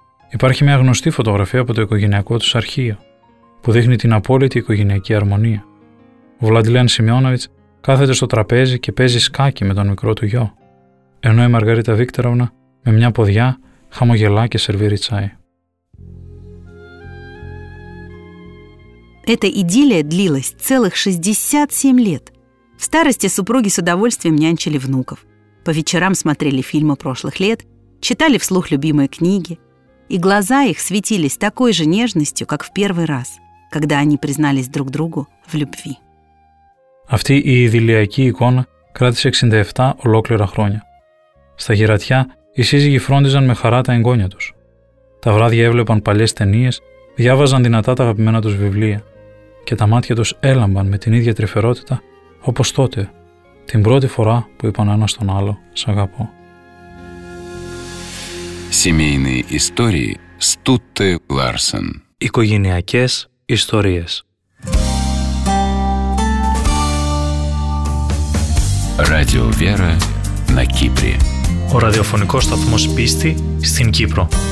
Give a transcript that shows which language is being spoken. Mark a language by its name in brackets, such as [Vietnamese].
[Greek] Υπάρχει μια γνωστή φωτογραφία από το οικογενειακό τους αρχείο, που δείχνει την απόλυτη οικογενειακή αρμονία. Ο Βλαντλέν Σημειώναβιτς κάθεται στο τραπέζι και παίζει σκάκι με τον μικρό του γιο, ενώ η Μαργαρίτα Βίκτοροβνα με μια ποδιά χαμογελά και σερβίρει τσάι. [Russian] Эта идиллия длилась целых 67 лет. В старости супруги с удовольствием нянчили внуков. По вечерам смотрели фильмы прошлых лет, читали вслух любимые книги. И глаза их светились такой же нежностью, как в первый раз, когда они признались друг другу в любви. [Greek] Αυτή η ειδηλιακή εικόνα κράτησε 67 ολόκληρα χρόνια. Στα γερατιά, οι σύζυγοι φρόντιζαν με χαρά τα εγγόνια τους. Τα βράδια έβλεπαν παλιές ταινίες, διάβαζαν δυνατά τα αγαπημένα τους βιβλία και τα μάτια τους έλαμπαν με την ίδια τρυφερότητα όπως τότε, την πρώτη φορά που είπαν ένας τον άλλο «Σ' αγαπώ». [Russian] Семейные истории Стутте Ларсен. [Greek] Οικογενειακές ιστορίες. [Russian] Радио Вера на Кипре. [Greek] Ο ραδιοφωνικός σταθμός πίστη στην Κύπρο.